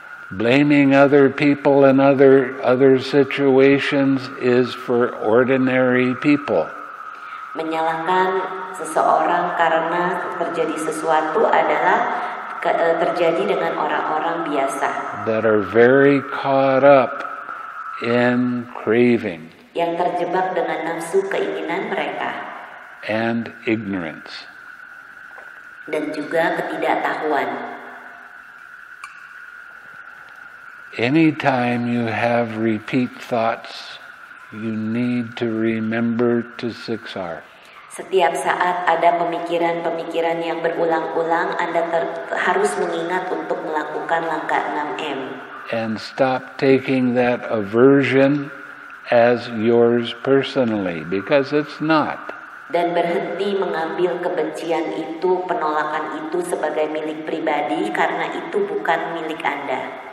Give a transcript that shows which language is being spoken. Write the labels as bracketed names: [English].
[English] Blaming other people and other situations is for ordinary people. [Indonesian] Menyalahkan seseorang karena terjadi sesuatu adalah terjadi dengan orang-orang biasa. [English] That are very caught up in craving. [Indonesian] Yang terjebak dengan nafsu keinginan mereka. [English] And ignorance. [Indonesian] Dan juga ketidaktahuan. [English] Anytime you have repeat thoughts, you need to remember to siksar. [Indonesian] Setiap saat ada pemikiran-pemikiran yang berulang-ulang, Anda harus mengingat untuk melakukan langkah 6M. [English] And stop taking that aversion as yours personally, because it's not. [Indonesian] Dan berhenti mengambil kebencian itu, penolakan itu sebagai milik pribadi karena itu bukan milik Anda.